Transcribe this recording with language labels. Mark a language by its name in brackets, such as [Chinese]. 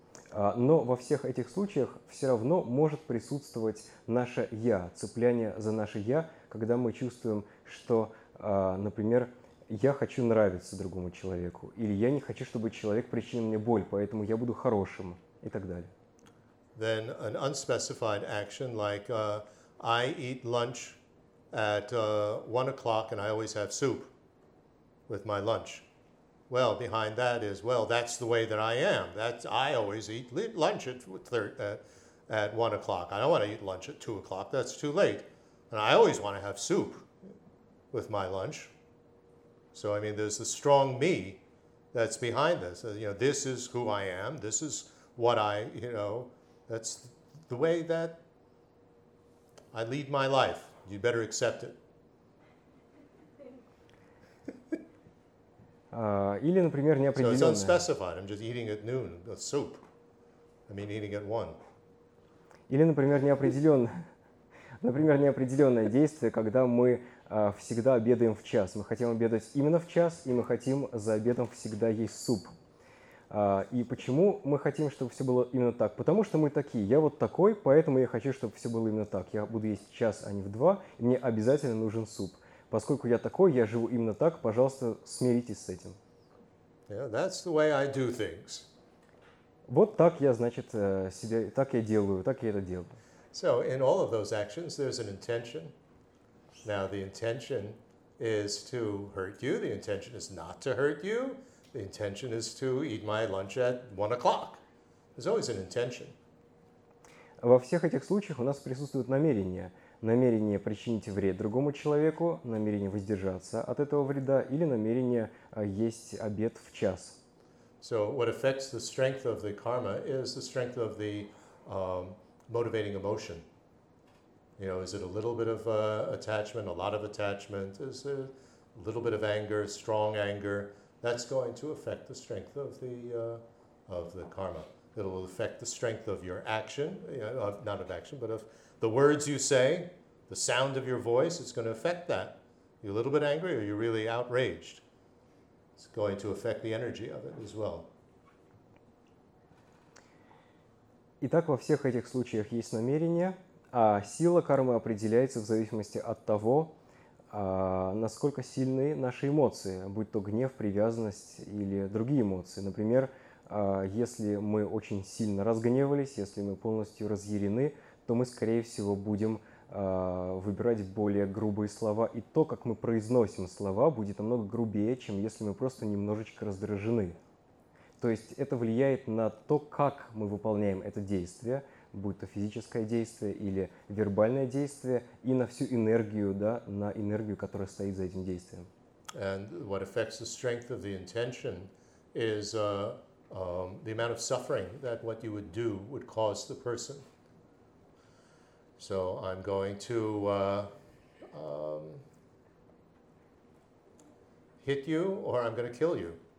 [Russian] Но во всех этих случаях все равно может присутствовать наше «я», цепляние за наше «я», когда мы чувствуем, что, например, «я хочу нравиться другому человеку», или «я не хочу, чтобы человек причинил мне боль, поэтому я буду хорошим», и так далее. [English] Then an unspecified action, like I eat lunch at 1 o'clock and I always have soup with my lunch. Well, behind that is, well, that's the way that I am. That's, I always eat lunch at 1 o'clock. I don't want to eat lunch at 2 o'clock. That's too late. And I always want to have soup with my lunch. So, I mean, there's a strong me that's behind this. You know, this is who I am. This is what I, you know, that's the way that I lead my life. You better accept it. [Russian] Или, например, неопределённое. [English] So it's unspecified. I'm just eating at noon, a soup. I mean, eating at one. [Russian] Или, например, неопределённое. Например, неопределённое действие, когда мы всегда обедаем в час. Мы хотим обедать именно в час, и мы хотим за обедом всегда есть суп. И почему мы хотим, чтобы все было именно так? Потому что мы такие. Я вот такой, поэтому я хочу, чтобы все было именно так. Я буду есть в час, а не в два, и мне обязательно нужен суп. Поскольку я такой, я живу именно так, пожалуйста, смиритесь с этим. [English] Yeah, that's the way I do things. [Russian] Вот так я, значит, себя, так я делаю, так я это делаю. [English] So, in all of those actions, there's an intention. Now, the intention is to hurt you, the intention is not to hurt you, the intention is to eat my lunch at 1 o'clock. There's always an intention. [Russian] Во всех этих случаях у нас присутствует намерение. Намерение причинить вред другому человеку, намерение воздержаться от этого вреда или намерение есть обед в час. [English] So what affects the strength of the karma is the strength of the motivating emotion. You know, is it a little bit of attachment, a lot of attachment, is it a little bit of anger, strong anger? That's going to affect the strength of the karma. It will affect the strength of your action, of, not of action, but of the words you say, the sound of your voice, it's going to affect that. You're a little bit angry or you're really outraged. It's going to affect the energy of it as well. [Russian] Итак, во всех этих случаях есть намерение, а сила кармы определяется в зависимости от того, насколько сильны наши эмоции, будь то гнев, привязанность или другие эмоции. Например, если мы очень сильно разгневались, если мы полностью разъярены, то мы, скорее всего, будем выбирать более грубые слова. И то, как мы произносим слова, будет намного грубее, чем если мы просто немножечко раздражены. То есть это влияет на то, как мы выполняем это действие, будь то физическое действие или вербальное действие, и на всю энергию, да, на энергию, которая стоит за этим действием. [English] And what affects the strength of the intention is the amount of suffering that what you would do would cause the person. So I'm going to hit you, or I'm going to kill you.